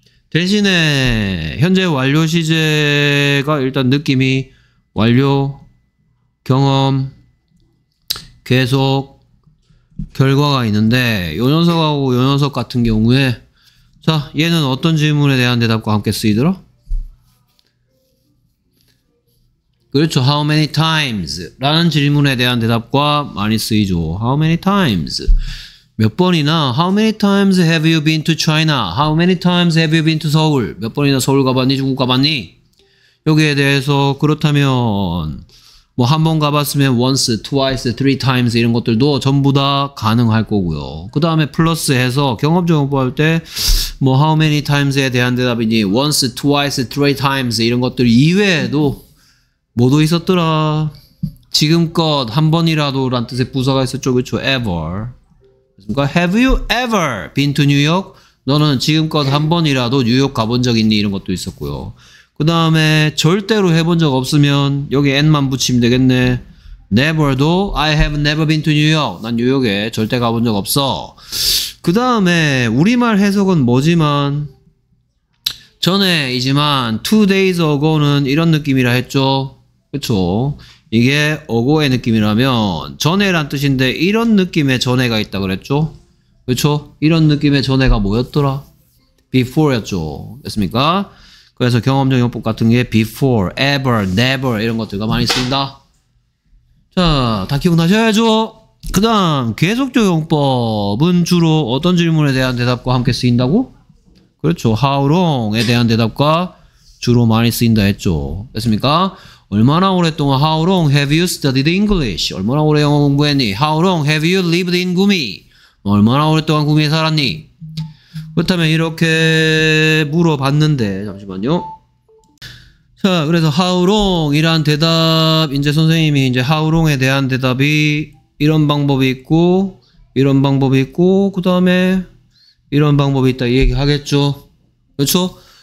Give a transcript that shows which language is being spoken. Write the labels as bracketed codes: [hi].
[ko] 대신에 현재 완료 시제가 일단 느낌이 완료, 경험, 계속, 결과가 있는데 요 녀석하고 요 녀석 같은 경우에 자, 얘는 어떤 질문에 대한 대답과 함께 쓰이더라? 그렇죠. [en] How many times? [ko] 라는 질문에 대한 대답과 많이 쓰이죠. [en] How many times? [ko] 몇 번이나 [en] How many times have you been to China? How many times have you been to Seoul? [ko] 몇 번이나 서울 가봤니? 중국 가봤니? 여기에 대해서 그렇다면 뭐한번 가봤으면 [en] once, twice, three times [ko] 이런 것들도 전부 다 가능할 거고요. 그 다음에 플러스해서 경험적으로 볼때뭐 [en] How many times [ko] 에 대한 대답이니 [en] once, twice, three times [ko] 이런 것들 이외에도 뭐도 있었더라? 지금껏 한 번이라도 란 뜻의 부사가 있었죠. 그쵸? ever. 그러니까 [en] have you ever been to New York? [ko] 너는 지금껏 한 번이라도 뉴욕 가본 적 있니? 이런 것도 있었고요. 그 다음에 절대로 해본 적 없으면 여기 and만 붙이면 되겠네. [en] never도 I have never been to New York. [ko] 난 뉴욕에 절대 가본 적 없어. 그 다음에 우리말 해석은 뭐지만 전에이지만 [en] two days ago [ko] 는 이런 느낌이라 했죠. 그쵸. 이게 어고의 느낌이라면 전에란 뜻인데 이런 느낌의 전에가 있다 그랬죠. 그쵸. 이런 느낌의 전에가 뭐였더라? before였죠. 됐습니까? 그래서 경험적 용법 같은 게 before, ever, never 이런 것들과 많이 쓰인다. 자, 다 기억나셔야죠. 그 다음 계속적 용법은 주로 어떤 질문에 대한 대답과 함께 쓰인다고? 그렇죠. [en] How long [ko] 에 대한 대답과 주로 많이 쓰인다 했죠. 됐습니까? 얼마나 오랫동안 [en] How long have you studied English? [ko] 얼마나 오래 영어 공부했니? [en] How long have you lived in Gumi? [ko] 얼마나 오랫동안 구미에 살았니? 그렇다면 이렇게 물어봤는데 잠시만요. 자, 그래서 [en] How long [ko] 이란 대답 이제 선생님이 이제 How long에 대한 대답이 이런 방법이 있고 이런 방법이 있고 그 다음에 이런 방법이 있다 얘기하겠죠. 그렇죠?